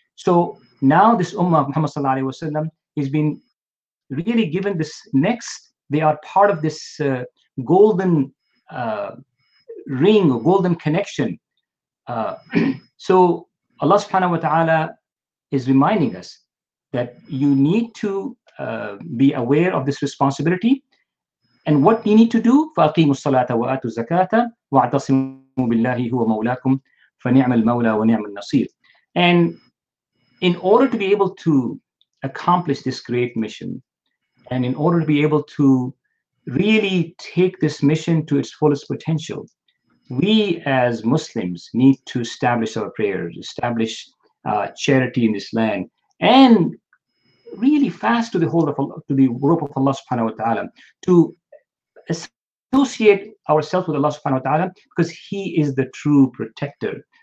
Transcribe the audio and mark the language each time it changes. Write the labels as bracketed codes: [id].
[en] So now this ummah of Muhammad sallallahu alayhi wa sallam has been really given this next, they are part of this golden ring or golden connection. So Allah subhanahu wa ta'ala is reminding us that you need to be aware of this responsibility. And what you need to do, [ar] فَأَقِيمُوا الصَّلَاةَ وَآتُوا الزَّكَاةَ وَاعْتَصِمُوا بِاللَّهِ هُوَ مَوْلَاكُمْ فَنِعْمَ الْمَوْلَى وَنِعْمَ النَّصِيرُ. [en] And in order to be able to accomplish this great mission, and in order to be able to really take this mission to its fullest potential, we as Muslims need to establish our prayers, establish charity in this land, and really fast to the hold of Allah, to the rope of Allah subhanahu wa ta'ala, to associate ourselves with Allah subhanahu wa ta'ala, because He is the true protector.